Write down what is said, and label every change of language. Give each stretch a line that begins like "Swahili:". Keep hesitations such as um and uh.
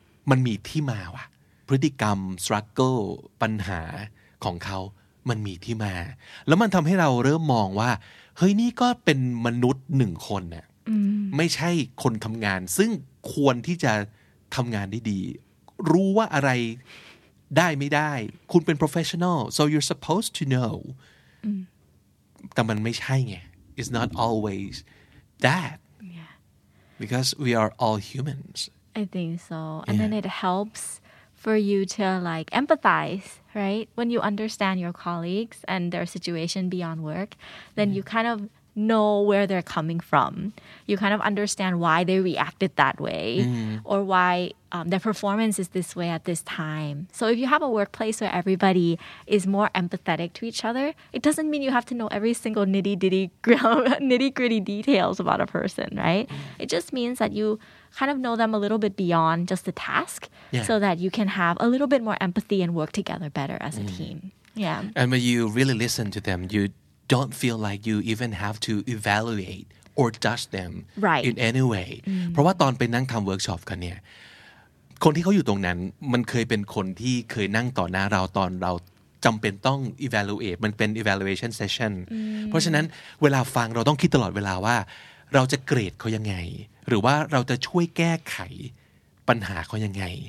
Thai: มันมีที่มาว่ะ พฤติกรรม struggle ปัญหาของเขา มันมีที่มา แล้วมันทำให้เราเริ่มมองว่า เฮ้ยนี่ก็เป็นมนุษย์หนึ่งคนน่ะไม่ใช่คนทำงาน ซึ่งควรที่จะทำงานได้ดี รู้ว่าอะไรได้ไม่ได้ คุณเป็น professional
English: so you're supposed to know
Thai: แต่มันไม่ใช่ไง
English: it's not always that because we are all humans I think so. And then it helps for you to like empathize, right? When you understand your colleagues and their situation beyond work, then you kind of know where they're coming from. You kind of understand why they reacted that way or why um, their performance is this way at this time. So if you have a workplace where everybody is more empathetic to each other, it doesn't mean you have to know every single nitty ditty nitty gritty details about a person, right? It just means that you kind of know them a little bit beyond just the task Yeah. so that you can have a little bit more empathy and work together better as a team. Yeah. And when you really listen to them, you don't feel like you even have to evaluate or judge them Right. in any way
Thai: เพราะว่าตอนไปนั่งทำเวิร์กช็อปกันเนี่ย คนที่เขาอยู่ตรงนั้น มันเคยเป็นคนที่เคยนั่งต่อหน้าเราตอนเราจำเป็นต้อง evaluate มันเป็น evaluation session เพราะฉะนั้นเวลาฟังเราต้องคิดตลอดเวลาว่า เราจะเกรดเขายังไง หรือว่าเราจะช่วยแก้ไขปัญหาเขายังไง